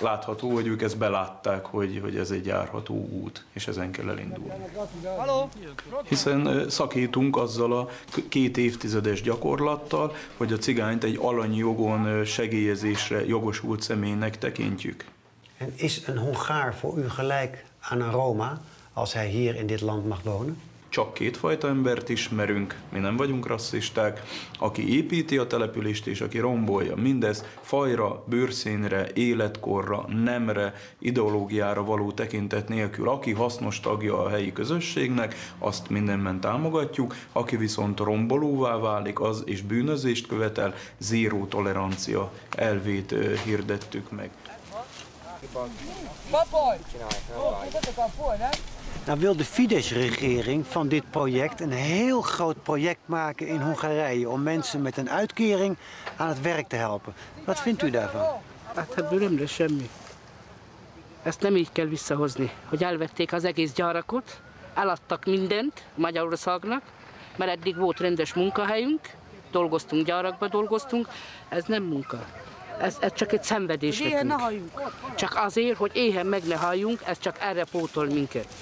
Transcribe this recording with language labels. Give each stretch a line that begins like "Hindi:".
Hungarian: Látható, hogy ők ezt belátták, hogy ez egy járható út, és ezen kell elindulni. Hiszen szakítunk azzal a két évtizedes gyakorlattal, hogy a cigányt egy alanyi jogon segélyezésre jogosult személynek tekintjük.
Dutch: En is een Hongaar voor u gelijk aan een Roma, als hij hier in dit land mag wonen?
Hungarian: Csak kétfajta embert ismerünk, mi nem vagyunk rasszisták, aki építi a települést és aki rombolja. Mindez fajra, bőrszínre, életkorra, nemre, ideológiára való tekintet nélkül. Aki hasznos tagja a helyi közösségnek, azt mindenben támogatjuk, aki viszont rombolóvá válik az és bűnözést követel, zéró tolerancia elvét hirdettük meg.
Dutch: Nou wil de Fidesz-regering van dit project een heel groot project maken in Hongarije om mensen met een uitkering aan het werk te helpen. Wat vindt u daarvan?
Hungarian: Hát ebbe nem lesz semmi. Ezt nem így kell visszahozni, hogy elvették az egész gyarakot, eladtak mindent Magyarországnak, mert eddig volt rendes munkahelyünk, dolgoztunk gyarakba, dolgoztunk, ez nem munka. Ez csak egy szenvedés nekünk. Csak azért, hogy éhen meg ne halljunk, ez csak erre pótol minket.